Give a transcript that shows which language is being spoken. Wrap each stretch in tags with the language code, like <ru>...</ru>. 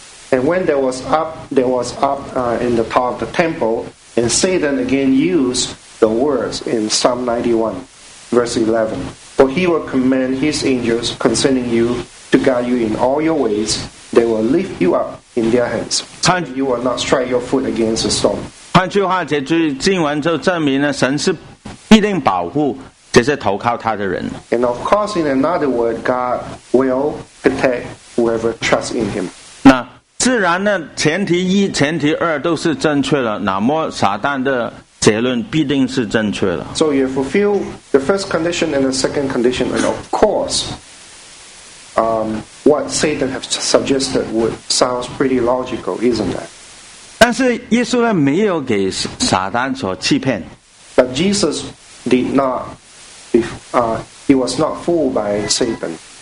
<en>And when there was up in the top of the temple, and Satan again used the words in Psalm 91, verse 11. For he will command his angels concerning you to guide you in all your ways. They will lift you up in their hands. So you will not strike your foot against the stone.</en> <zh>换句话，这句经文就证明了神是必定保护这些投靠他的人。</zh> <en>And of course, in another word, God will protect whoever trusts in Him.</en> <zh>那自然呢，前提一、前提二都是正确的。那么撒旦的结论必定是正确的。</zh> <en>So you fulfill the first condition and the second condition, and of course, what Satan has suggested would sounds pretty logical, isn't it?</en> <zh>但是耶稣呢，没有给撒旦所欺骗。</zh> <en>But Jesus did not, he was not fooled by Satan.</en>